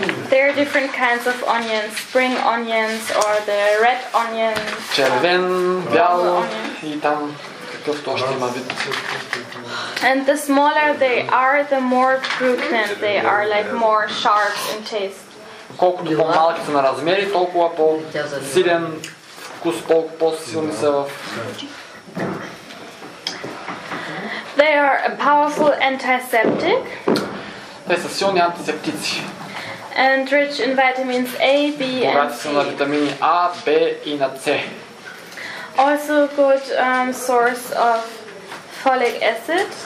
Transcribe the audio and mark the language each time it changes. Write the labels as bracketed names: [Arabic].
[English] There are different kinds of onions, spring onions or the red onions. [Bulgarian] Червен, бял и там каквото още има вид. [English] And the smaller they are, the more pungent they are, like more sharp in taste. [Bulgarian] Колкото по-малки са на размери, толкова по-силен вкус, по-силни са в... [English] They are a powerful antiseptic. [Bulgarian] Те са силни антисептици. [English] And rich in vitamins A, B and C. [Bulgarian] Богати са на витамини А, Б и на С. [English] Also a good source of folic acid.